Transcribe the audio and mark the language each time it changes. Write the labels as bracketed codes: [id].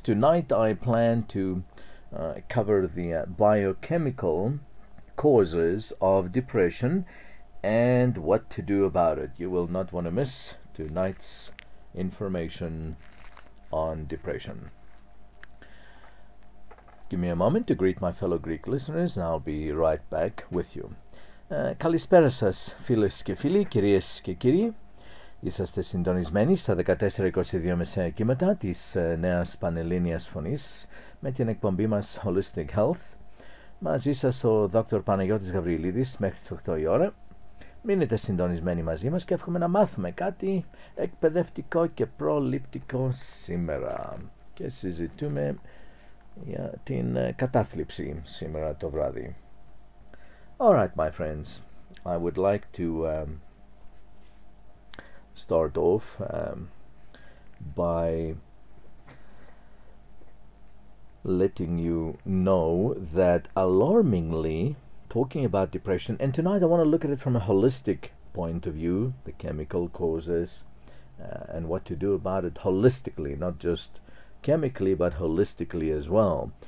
[en] Tonight I plan to cover the biochemical causes of depression and what to do about it. You will not want to miss tonight's information on depression. Give me a moment to greet my fellow Greek listeners, and I'll be right back with you. [el] Καλησπέρα σας, φίλες και φίλοι, κυρίες και κύριοι. Είσαστε συντονισμένοι στα 14:22 μεσαία κύματα της νέας πανελλήνιας φωνής με την εκπομπή μας Holistic Health. Μαζί σας ο Dr. Παναγιώτης Γαβριλίδης μέχρι τις 8 η ώρα. Μείνετε συντονισμένοι μαζί μας και εύχομαι να μάθουμε κάτι εκπαιδευτικό και προληπτικό σήμερα. Και συζητούμε για την κατάθλιψη σήμερα το βράδυ. [en] Alright, my friends, I would like to start off by letting you know that alarmingly, talking about depression, and tonight I want to look at it from a holistic point of view, the chemical causes and what to do about it holistically, not just chemically, but holistically as well.